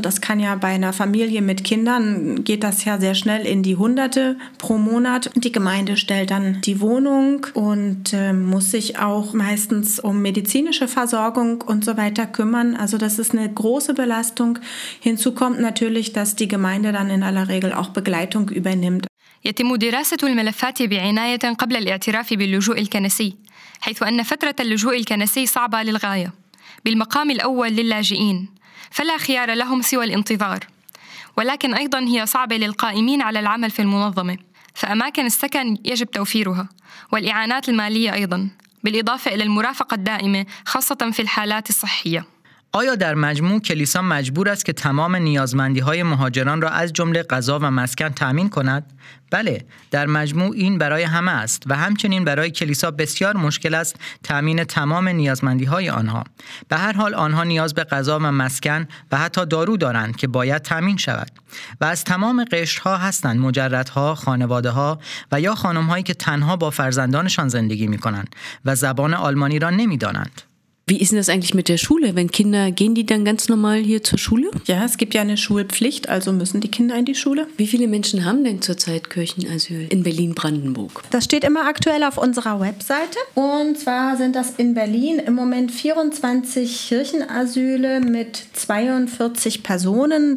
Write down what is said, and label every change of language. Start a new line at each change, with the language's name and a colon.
German: Und das kann ja bei einer Familie mit Kindern, geht das ja sehr schnell in die Hunderte pro Monat. Die Gemeinde stellt dann die Wohnung und muss sich auch meistens um medizinische Versorgung und so weiter kümmern. Also das ist eine große Belastung. Hinzu kommt natürlich, dass die Gemeinde dann in aller Regel auch Begleitung übernimmt.
Arabic: يتم دراسة الملفات بعناية قبل الاعتراف باللجوء الكنسي، حيث أن فترة اللجوء الكنسي صعبة للغاية، بالمقام الأول للاجئين، فلا خيار لهم سوى الانتظار، ولكن أيضاً هي صعبة للقائمين على العمل في المنظمة، فأماكن السكن يجب توفيرها، والإعانات المالية أيضاً، بالإضافة إلى المرافقة الدائمة، خاصة في الحالات الصحية.
Persian: آیا در مجموع کلیسا مجبور است که تمام نیازمندی‌های مهاجران را از جمله غذا و مسکن تأمین کند؟ بله، در مجموع این برای همه است و همچنین برای کلیسا بسیار مشکل است تأمین تمام نیازمندی‌های آنها. به هر حال آنها نیاز به غذا و مسکن و حتی دارو دارند که باید تأمین شود. و از تمام قشرها هستند مجردها، خانواده‌ها و یا خانم‌هایی که تنها با فرزندانشان زندگی می‌کنند و زبان آلمانی را نمی‌دانند.
German: Wie ist denn das eigentlich mit der Schule? Wenn Kinder, gehen die dann ganz normal hier zur Schule? Ja, es gibt ja eine Schulpflicht, also müssen die Kinder in die Schule. Wie viele Menschen haben denn zurzeit Kirchenasyl in Berlin-Brandenburg? Das steht immer aktuell auf unserer Webseite. Und zwar sind das in Berlin im Moment 24 Kirchenasyle mit 42 Personen.